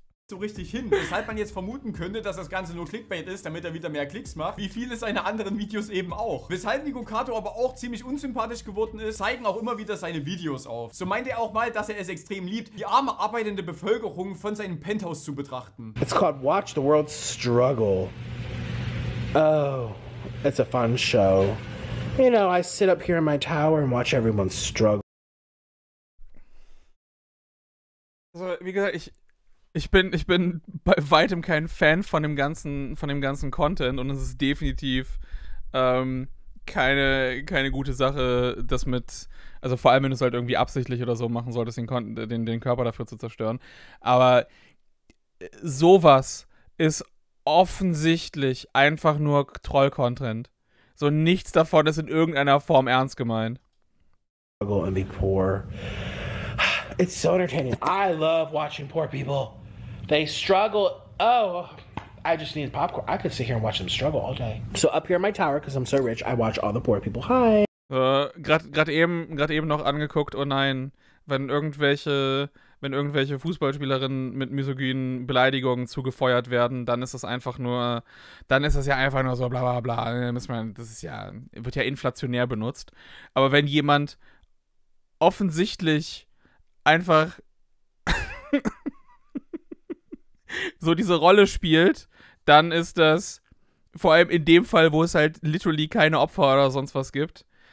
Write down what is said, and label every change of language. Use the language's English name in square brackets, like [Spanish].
[German] So richtig hin, weshalb man jetzt vermuten könnte, dass das Ganze nur Clickbait ist, damit er wieder mehr Klicks macht, wie viele seiner anderen Videos eben auch. Weshalb Nikocado aber auch ziemlich unsympathisch geworden ist, zeigen auch immer wieder seine Videos auf. So meint er auch mal, dass er es extrem liebt, die arme arbeitende Bevölkerung von seinem Penthouse zu betrachten. [English] It's called Watch the World Struggle. Oh, it's a fun show. You know, I sit up here in my tower and watch everyone struggle. [German] Also, wie gesagt, Ich bin bei weitem kein Fan von dem ganzen Content und es ist definitiv keine gute Sache, das mit, also vor allem wenn du es halt irgendwie absichtlich oder so machen solltest, den Körper dafür zu zerstören. Aber sowas ist offensichtlich einfach nur Troll-Content. So nichts davon ist in irgendeiner Form ernst gemeint. [English] And be poor. It's so entertaining. I love watching poor people. They struggle. Oh, I just need popcorn. I could sit here and watch them struggle all day. So up here in my tower, because I'm so rich, I watch all the poor people. Hi. [German] Gerade eben noch angeguckt. Oh nein, wenn irgendwelche Fußballspielerinnen mit misogynen Beleidigungen zugefeuert werden, dann ist das ja einfach nur so bla bla bla. Das wird ja inflationär benutzt. Aber wenn jemand offensichtlich einfach so diese Rolle spielt, dann ist das, vor allem in dem Fall, wo es halt literally keine Opfer oder sonst was gibt.